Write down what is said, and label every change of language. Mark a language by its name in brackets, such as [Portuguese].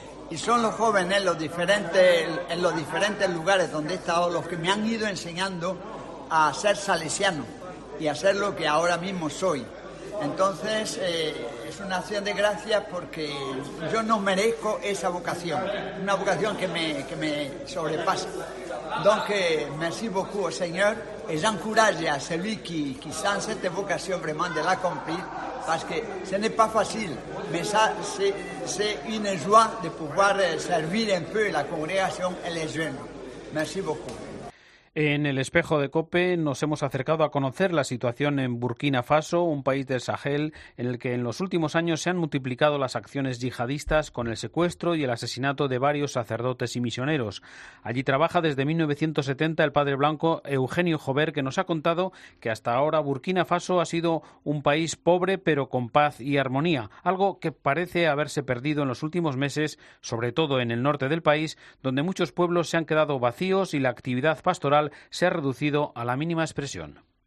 [Spanish] Y son los jóvenes en los diferentes lugares donde he estado los que me han ido enseñando a ser salesiano y a ser lo que ahora mismo soy. Entonces, es una acción de gracias porque yo no merezco esa vocación, una vocación que me sobrepasa. [French] Donc, merci beaucoup, Señor, et j'encourage à celui qui sans cette vocation vraiment de l'accomplir, parce que ce n'est pas facile. Mais ça, c'est une joie de pouvoir servir un peu la congrégation et les jeunes. Merci beaucoup. [Spanish] En el espejo de COPE nos hemos acercado a conocer la situación en Burkina Faso, un país del Sahel en el que en los últimos años se han multiplicado las acciones yihadistas con el secuestro y el asesinato de varios sacerdotes y misioneros. Allí trabaja desde 1970 el padre blanco Eugenio Jover, que nos ha contado que hasta ahora Burkina Faso ha sido un país pobre pero con paz y armonía, algo que parece haberse perdido en los últimos meses, sobre todo en el norte del país, donde muchos pueblos se han quedado vacíos y la actividad pastoral se ha reducido a la mínima expresión.